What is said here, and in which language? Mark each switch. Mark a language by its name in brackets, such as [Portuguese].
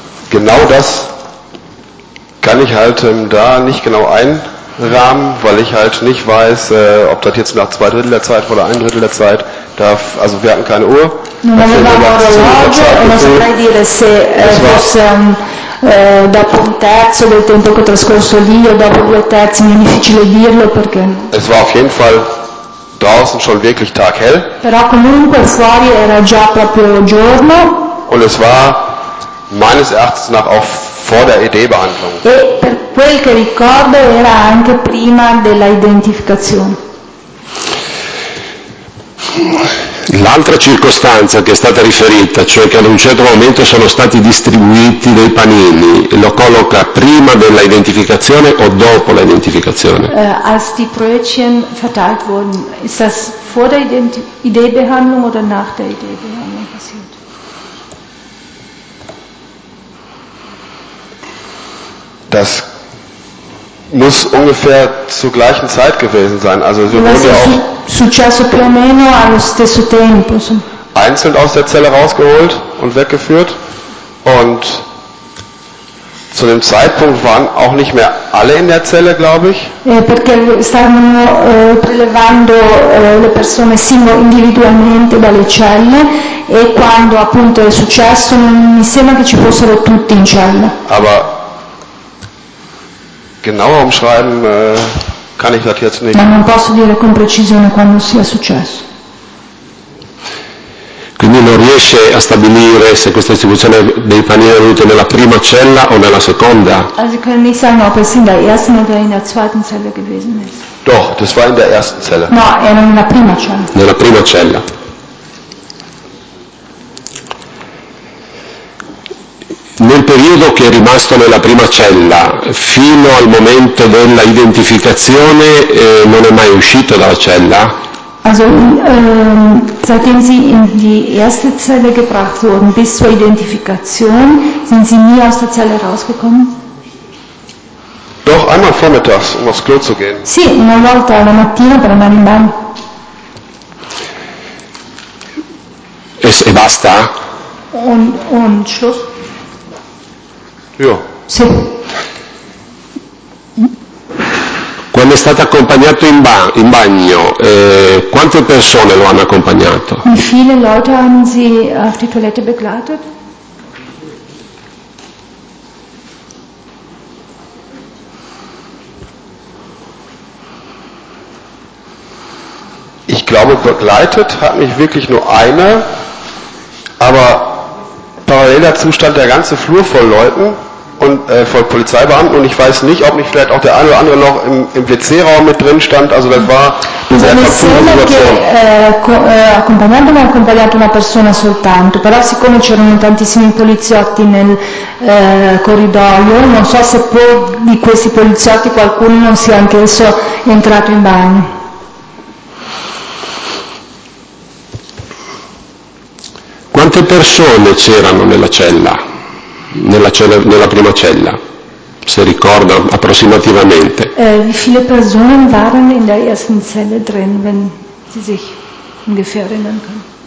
[German] Genau das kann ich halt da nicht genau einrahmen, weil ich halt nicht weiß, ob das jetzt nach zwei Drittel der Zeit oder ein Drittel der Zeit darf. Also wir hatten keine Uhr. [Italian] Non avevamo orologio, non saprei dire se fosse dopo un terzo del tempo che ho trascorso lì o dopo due terzi, mi è difficile dirlo perché. [German] Es war auf jeden Fall draußen schon wirklich taghell. [Italian] Però comunque fuori era già proprio giorno. [German] Und es war meines Erachtens nach auch vor der ED-Behandlung. [Italian] E per quel che ricordo era anche prima della identificazione. L'altra circostanza che è stata riferita, cioè che ad un certo momento sono stati distribuiti dei panini, lo colloca prima della identificazione o dopo la identificazione? [German] Als die Brötchen verteilt wurden, ist das vor der ID-Behandlung oder nach der ID-Behandlung passiert? Das muss ungefähr zur gleichen Zeit gewesen sein. Also wir wurden ja auch [Italian] successo più o meno allo stesso tempo. [German] Einzeln aus der Zelle rausgeholt und weggeführt. Und zu dem Zeitpunkt waren auch nicht mehr alle in der Zelle, glaube ich. [Italian] Perché stavano prelevando le persone singole individualmente dalle celle e quando appunto è successo non mi sembra che ci fossero tutti in cella. [German] Aber genauer umschreiben kann ich das jetzt nicht. [Italian] Ma non posso dire con precisione quando sia successo. Quindi non riesce a stabilire se questa distribuzione dei panini è avvenuta nella prima cella o nella seconda. [German] Also können nicht sagen, ob es in der ersten oder in der zweiten Zelle gewesen ist. Doch, das war in der ersten Zelle. [Italian] No, era nella prima cella. Nella prima cella. Nel periodo che è rimasto nella prima cella, fino al momento della identificazione, non è mai uscito dalla cella? [German] Also, seitdem Sie in die erste Zelle gebracht wurden, bis zur Identifikation, sind Sie nie aus der Zelle rausgekommen? Doch, einmal vormittags, um aufs Klo zu gehen. [Italian] Sì, una volta alla mattina per andare in bagno. E basta? [German] Und Schluss? [Italian] Io? Sì. Quando è stato accompagnato in bagno, quante persone lo hanno accompagnato? [German] Wie viele Leute haben Sie auf die Toilette begleitet? Ich glaube, begleitet hat mich wirklich nur eine, aber parallel dazu stand der ganze Flur voll Leuten. Und voll Polizeibeamten, und ich weiß nicht, ob nicht vielleicht auch der eine oder andere noch im WC-Raum mit drin stand, also das war eine sehr verfluchte Situation. [Italian] Accompagnato mi ha accompagnato una persona soltanto, però siccome c'erano tantissimi poliziotti nel corridoio, non so se poi di questi poliziotti qualcuno non sia anch'esso entrato in bagno. Quante persone c'erano nella cella? Nella prima cella, se ricorda approssimativamente. [German] Wie viele Personen waren in der ersten Zelle drin, wenn Sie sich ungefähr erinnern können?